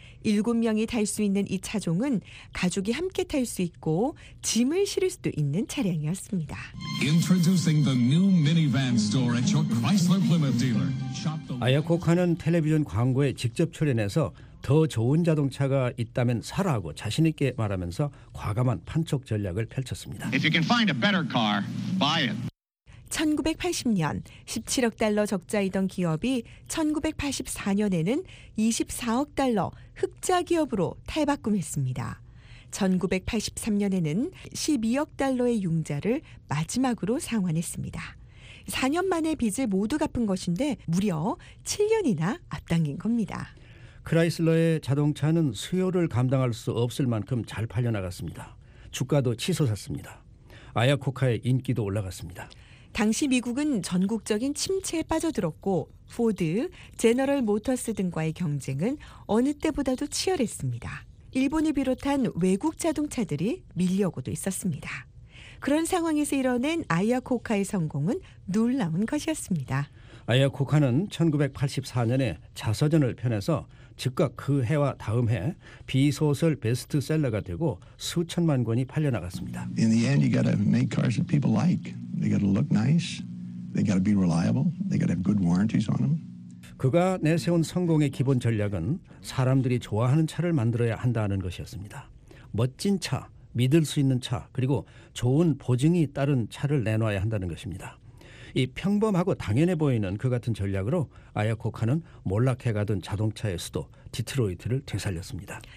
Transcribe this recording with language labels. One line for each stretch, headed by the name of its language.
Korean: 7명이 탈 수 있는 이 차종은 가족이 함께 탈 수 있고 짐을 실을 수도 있는 차량이었습니다.
English: Introducing the new minivan store at your Chrysler Plymouth dealer.
Korean: 아이아 코카는 텔레비전 광고에 직접 출연해서 더 좋은 자동차가 있다면 사라고 자신 있게 말하면서 과감한 판촉 전략을 펼쳤습니다.
English: If you can find a better car, buy it.
Korean: 1980년 17억 달러 적자이던 기업이 1984년에는 24억 달러 흑자 기업으로 탈바꿈했습니다. 1983년에는 12억 달러의 융자를 마지막으로 상환했습니다. 4년 만에 빚을 모두 갚은 것인데 무려 7년이나 앞당긴 겁니다. 크라이슬러의 자동차는 수요를 감당할 수 없을 만큼 잘 팔려나갔습니다. 주가도 치솟았습니다. 아이아 코카의 인기도 올라갔습니다. 당시 미국은 전국적인 침체에 빠져들었고 포드, 제너럴 모터스 등과의 경쟁은 어느 때보다도 치열했습니다. 일본을 비롯한 외국 자동차들이 밀려오고도 있었습니다. 그런 상황에서 이뤄낸 아이아 코카의 성공은 놀라운 것이었습니다. 아이아 코카는 1984년에 자서전을 펴내서 즉각 그 해와 다음 해 비소설 베스트셀러가 되고 수천만 권이 팔려나갔습니다.
English: In the end, you gotta make cars that people like. They gotta look nice. They gotta be reliable. They gotta have good warranties on them.
Korean: 그가 내세운 성공의 기본 전략은 사람들이 좋아하는 차를 만들어야 한다는 것이었습니다. 멋진 차, 믿을 수 있는 차, 그리고 좋은 보증이 따른 차를 내놔야 한다는 것입니다. 이 평범하고 당연해 보이는 그 같은 전략으로 아이아 코카는 몰락해가던 자동차의 수도 디트로이트를 되살렸습니다.